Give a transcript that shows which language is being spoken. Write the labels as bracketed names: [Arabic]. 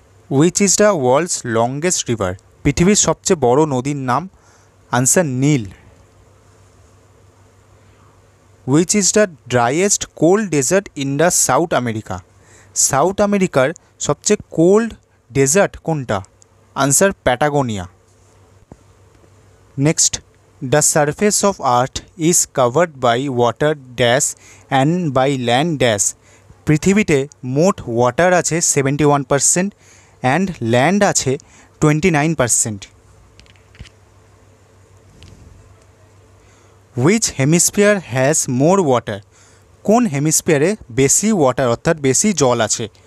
[English] which is the world's longest river, [Bangla] পৃথিবীর সবচেয়ে বড় নদীর নাম? [English] Answer, নীল। Which is the driest cold desert in the South America, [Bangla] south আমেরিকার সবচেয়ে কোল্ড ডেজার্ট কোনটা? [English] Answer, Patagonia. Next, The surface of earth is covered by water dash and by land dash. [Bangla] পৃথিবীতে মোট ওয়াটার আছে 71% and land আছে 29%। [English] which hemisphere has more water, [Bangla] কোন হেমিস্ফিয়ারে বেশি water অর্থাৎ বেশি জল আছে?